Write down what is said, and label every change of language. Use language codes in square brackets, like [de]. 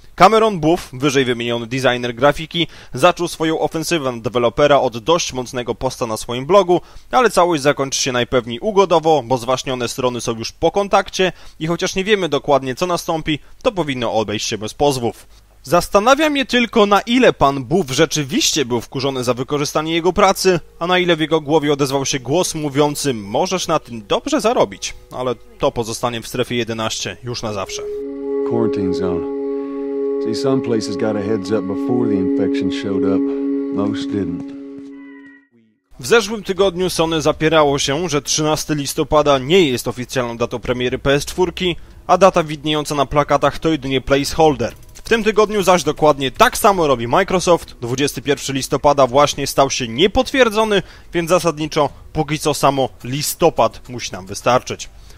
[pl] Cameron Boeuf, wyżej wymieniony designer grafiki, zaczął swoją ofensywę na dewelopera od dość mocnego posta na swoim blogu, ale całość zakończy się najpewniej ugodowo, bo zwaśnione strony są już po kontakcie i chociaż nie wiemy dokładnie, co nastąpi, to powinno obejść się bez pozwów. Zastanawia mnie tylko, na ile pan Boeuf rzeczywiście był wkurzony za wykorzystanie jego pracy, a na ile w jego głowie odezwał się głos mówiący: możesz na tym dobrze zarobić, ale to pozostanie w strefie 11 już na zawsze. [en] Quarantine zone. See, some places got a heads up before the infection showed up. Most didn't. [pl] W zeszłym tygodniu Sony zapierało się, że 13 listopada nie jest oficjalną datą premiery PS4, a data widniejąca na plakatach to jedynie placeholder. W tym tygodniu zaś dokładnie tak samo robi Microsoft, 21 listopada właśnie stał się niepotwierdzony, więc zasadniczo póki co samo listopad musi nam wystarczyć.